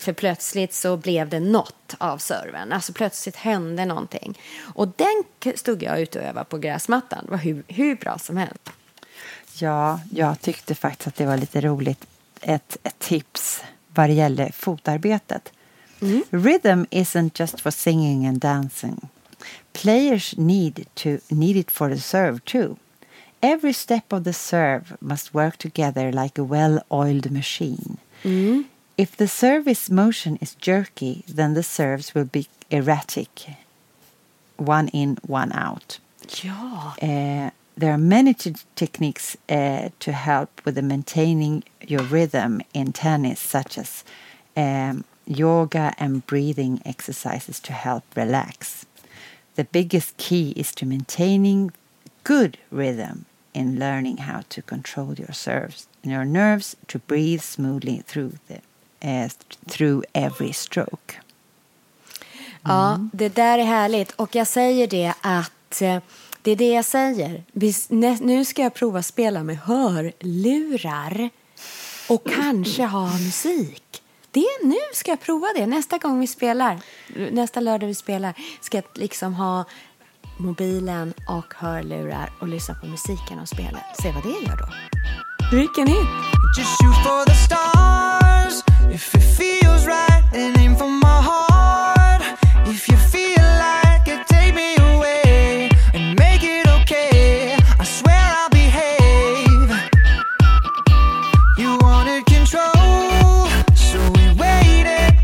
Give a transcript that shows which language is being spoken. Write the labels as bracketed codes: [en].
[sv] För plötsligt så blev det något av serven. Alltså plötsligt hände någonting. Och den stod jag ute och övade på gräsmattan. Det var hur bra som helst. Ja, jag tyckte faktiskt att det var lite roligt. Ett tips vad det gäller fotarbetet. Mm. [en] Rhythm isn't just for singing and dancing. Players need it for the serve too. Every step of the serve must work together like a well-oiled machine. Mm. If the service motion is jerky, then the serves will be erratic. One in, one out. [sv] Ja. [en] There are many techniques to help with the maintaining your rhythm in tennis, such as yoga and breathing exercises to help relax. The biggest key is to maintaining good rhythm in learning how to control your serves and your nerves to breathe smoothly through the through every stroke. [sv] Mm. Ja, det där är härligt. Och jag säger det att det är det jag säger. Nu ska jag prova spela med hörlurar och kanske ha musik. Det är nu ska jag prova det. Nästa gång vi spelar, nästa lördag vi spelar, ska jag liksom ha mobilen och hörlurar och lyssna på musiken och spela. Se vad det gör då. Vilken hit! [en] Just shoot for the stars. If it feels right, then aim for my heart. If you feel like it, take me away and make it okay. I swear I'll behave. You wanted control, so we waited.